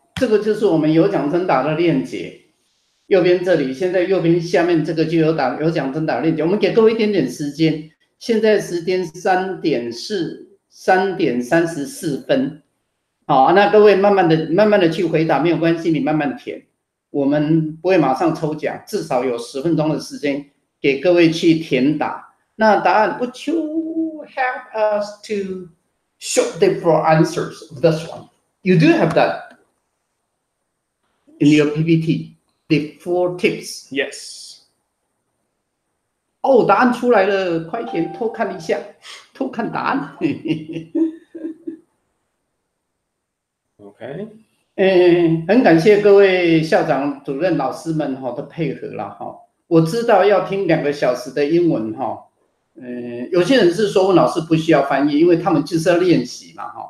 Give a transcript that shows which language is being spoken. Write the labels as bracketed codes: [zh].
[zh] 这个就是我们有奖征答的链接，右边这里，现在右边下面这个就有奖征答链接。我们给各位一点点时间，现在时间3:34分。好，那各位慢慢的去回答，没有关系，你慢慢填。我们不会马上抽奖，至少有10分钟的时间给各位去填答。那答案 [en] ，Would you help us to show the four answers of this one? You do have that in your PPT, the four tips. Yes. [zh] 哦，答案出来了，快点偷看一下，偷看答案。 [en] Okay. [zh] 很感谢各位校长、主任、老师们的配合啦，我知道要听2个小时的英文，有些人是说问老师不需要翻译，因为他们就是要练习嘛，